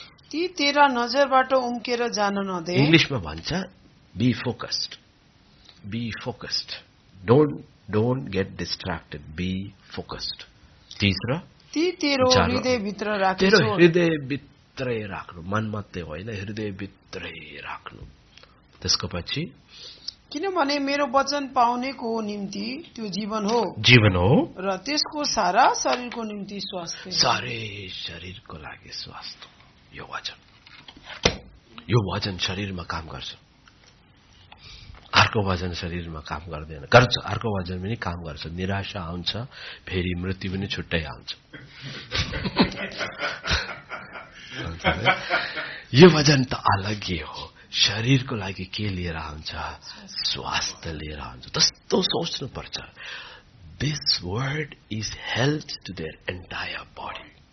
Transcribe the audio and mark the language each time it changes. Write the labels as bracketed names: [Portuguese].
[Nepali] ती तेरा नजरबाट उम्केर जान नदे. इङ्ग्लिसमा भन्छ [English] Be focused. Be focused. Don't get distracted. Be focused. [Nepali] तिसरा ती तेरो हृदयभित्र राख्नु. तेरो हृदयभित्रै राख्नु. मन मात्रै होइन हृदयभित्रै राख्नु. त्यसको पछि किनभने मेरो वचन पाउनेको निम्ति त्यो जीवन हो. जीवन हो र त्यसको सारा शरीरको निम्ति स्वास्थ्य. सारै शरीरको लागि स्वास्थ्य. यो वचन. यो वचन शरीरमा काम गर्छ. अर्को वचन शरीरमा काम गर्दैन. गर्छ. अर्को वचन पनि काम गर्छ. निराशा आउँछ. फेरि मृत्यु पनि छुट्टै आउँछ. यो वचन त अलगै हो. शरीरको लागि के लिएर आउँछ. स्वास्थ्य लिएर आउँछ. त्यस्तो सोच्नुपर्छ. [English] This word is health to their entire body.